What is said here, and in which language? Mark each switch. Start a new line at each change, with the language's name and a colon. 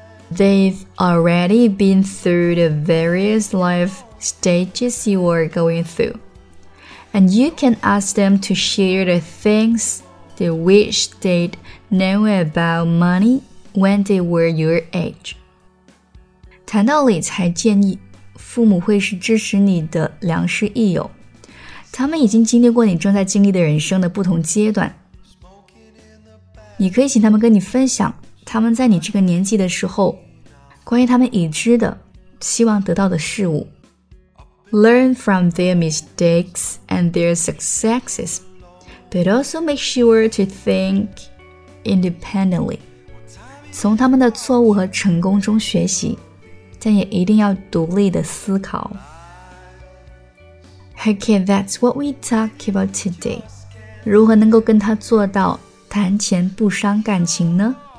English: They've already been through the various life stages you are going through. And you can ask them to share the things they wish they'd know about money when they were your age.
Chinese: 谈到理财，建议父母会是支持你的良师益友，他们已经经历过你正在经历的人生的不同阶段，你可以请他们跟你分享他们在你这个年纪的时候关于他们已知的希望得到的事物。
English: Learn from their mistakes and their successes, but also make sure to think independently.
Chinese: 从他们的错误和成功中学习，但也一定要独立的思考。
English: Okay, that's what we talk about today.
Chinese: 如何能够跟他做到谈钱不伤感情呢？